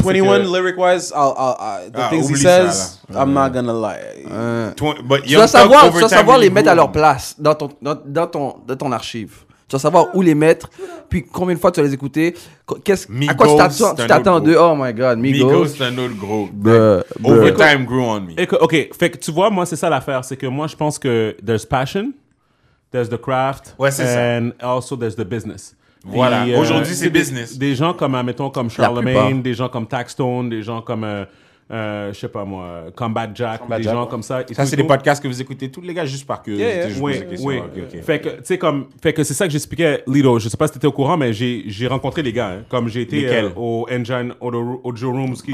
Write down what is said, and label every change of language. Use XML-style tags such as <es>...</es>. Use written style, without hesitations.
<en>21, lyric-wise, the things he says, I'm not gonna lie.</en> <fr>Tu vas savoir les mettre à leur place dans ton archive. Tu vas savoir où les mettre, puis combien de fois tu vas les écouter. À quoi tu t'attends de...</fr> <en>Oh my God,</en> <fr>Migos. Migos, c'est un autre groupe.</fr> <en>Overtime grew on me.</en> <fr>OK, fait que tu vois, moi, c'est ça l'affaire. C'est que moi, je pense que</fr> <en>there's passion, there's the craft, and also there's the business.</en> <fr>Voilà, puis, aujourd'hui, c'est business. Des gens comme, admettons, comme Charlemagne, des gens comme Taxstone, des gens comme... je sais pas moi, Combat Jack, gens comme ça. Ça, c'est des podcasts que vous écoutez tous les gars, juste par curiosité. Fait que c'est ça que j'expliquais, Lido. Je sais pas si t'étais au courant, mais j'ai rencontré les gars. Hein, comme j'ai été au Engine Audio Rooms qui</fr>